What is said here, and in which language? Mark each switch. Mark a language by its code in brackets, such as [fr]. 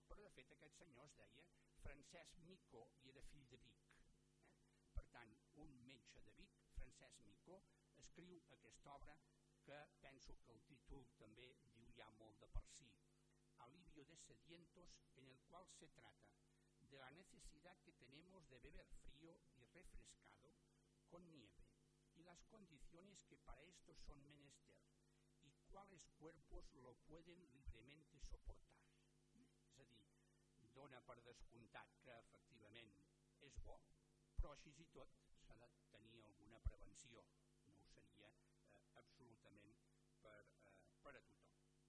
[ca] Però, de fet, aquest senyor es deia Francesc Micó i era fill de Vic. Per tant, un metge de Vic, Francesc Micó, escriu aquesta obra que penso que el títol també diu ja molt de per si. [es] Alivio de sedientos, en el qual se trata de la necesidad que tenemos de beber frío y refrescado con nieve y las condiciones que para esto son menester y cuáles cuerpos lo pueden libremente soportar. [ca] És a dir, dona per descomptat que efectivament és bo, però així i tot s'ha de tenir alguna prevenció, no ho seria absolutament per a tothom.